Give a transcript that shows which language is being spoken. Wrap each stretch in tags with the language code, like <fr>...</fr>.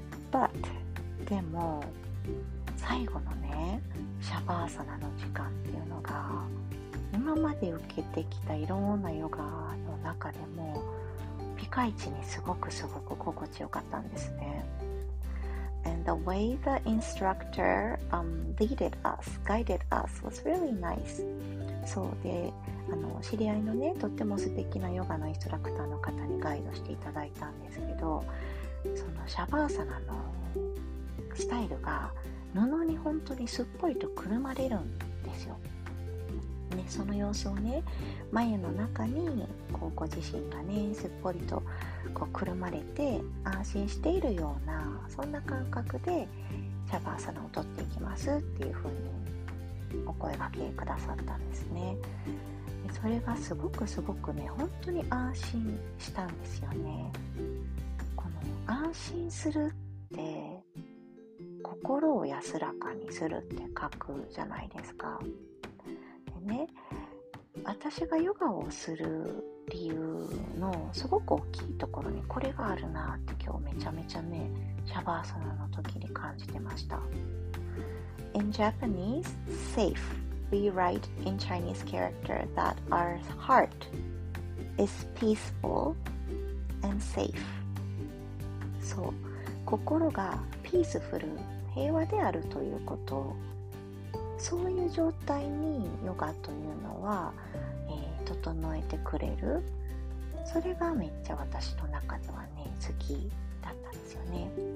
<ja>But でも最後のね、シャバーサナの時間っていうのが、今まで受けてきたいろんなヨガの中でもピカイチにすごくすごく心地よかったんですね。</ja> <en>And the way the instructor guided us was really nice.</en> <ja>そうで、あの知り合いのね、とっても素敵なヨガのインストラクターの方にガイドしていただいたんですけど、そのシャバーサナのスタイルが布に本当にすっぽりとくるまれるんですよ。ね、その様子をね、眉の中にこうご自身がね、すっぽりとこうくるまれて安心しているような、そんな感覚でシャバーサナを取っていきますっていう風にお声掛けくださったんですね。でそれがすごくすごくね、本当に安心したんですよね。この安心するって心を安らかにするって書くじゃないですか。でね、私がヨガをする理由のすごく大きいところにこれがあるなって、今日めちゃめちゃね、シャバーサナの時に感じてました。</ja> <en>In Japanese, safe. We write in Chinese character that our heart is peaceful and safe.</en> <ja>そう、心がピースフル、平和であるということ、そういう状態にヨガというのは、整えてくれる。それがめっちゃ私の中ではね、好きだったんですよね。</ja>